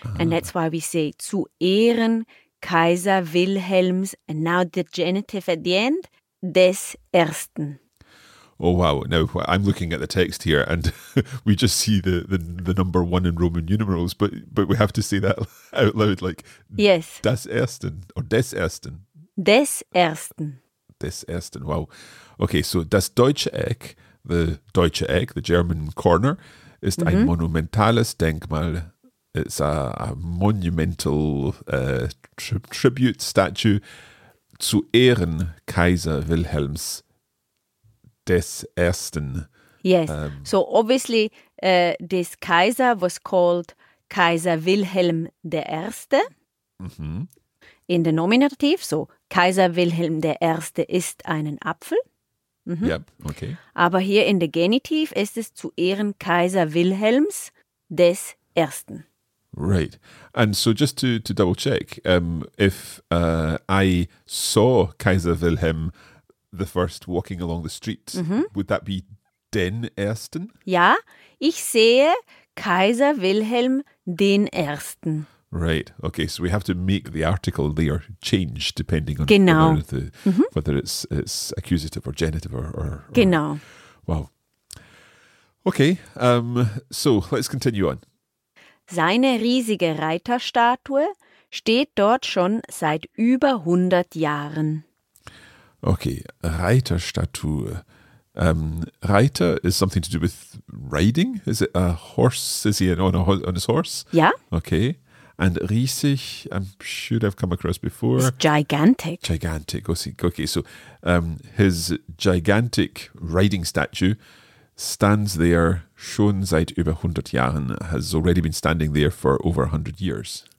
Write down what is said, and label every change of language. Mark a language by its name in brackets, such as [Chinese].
[English] And that's why we say [German] zu Ehren Kaiser Wilhelms. [English] And now the genitive at the end, [German] des Ersten. [English] Oh, wow. Now, I'm looking at the text here and we just see the number one in Roman numerals, but we have to say that out loud, like yes. [German] Das Ersten or Des Ersten. Des Ersten. Des Ersten, wow. Okay, so das Deutsche Eck, [English] the Deutsche Eck, the German corner, [German] ist mm-hmm. ein monumentales Denkmal. [English] It's a monumental tribute statue [German] zu Ehren Kaiser Wilhelms. Des Ersten. [English] Yes. So obviously, this Kaiser was called Kaiser Wilhelm der Erste mm-hmm. in the nominative. [German] So Kaiser Wilhelm der Erste ist einen Apfel. [English] Mm-hmm. Yep. Okay. [German] Aber hier [English] in the genitive [German] ist es zu Ehren Kaiser Wilhelms des Ersten. [English] Right. And so just to double check, if I saw Kaiser Wilhelm the first walking along the street, mm-hmm. would that be [German] den Ersten? Ja, ich sehe Kaiser Wilhelm den Ersten. [English] Right, okay, so we have to make the article there change depending on [German] genau. Mm-hmm. [English] whether it's accusative or genitive or [German] genau. [English] Wow. Okay, so let's continue on. [German] Seine riesige Reiterstatue steht dort schon seit über 100 Jahren. [English] Okay, Reiterstatue. Reiter is something to do with riding. Is it a horse? Is he on his horse? Yeah. Okay. And riesig, I'm sure I've come across before. It's gigantic. Gigantic. Okay, so his gigantic riding statue stands there [German] schon seit über 100 Jahren, [English] has already been standing there for over 100 years.